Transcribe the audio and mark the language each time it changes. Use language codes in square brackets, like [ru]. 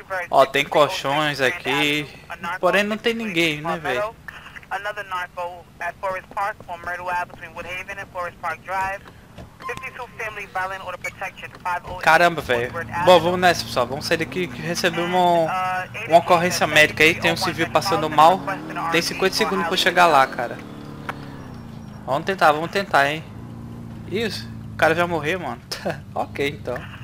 [pt] Ó, tem colchões aqui. Porém, não tem ninguém, né, velho? [en] Another narco at Forest Park on Myrtle Ave between Woodhaven and Forest Park Drive. 52 Family Violent Order Protection 508. [pt] Caramba, velho. Bom, vamos nessa, pessoal. Vamos sair daqui que recebemos uma ocorrência médica aí. Tem um civil passando mal. Tem 50 segundos pra chegar lá, cara. Vamos tentar, hein. Isso. O cara já morreu, mano. Ok, então.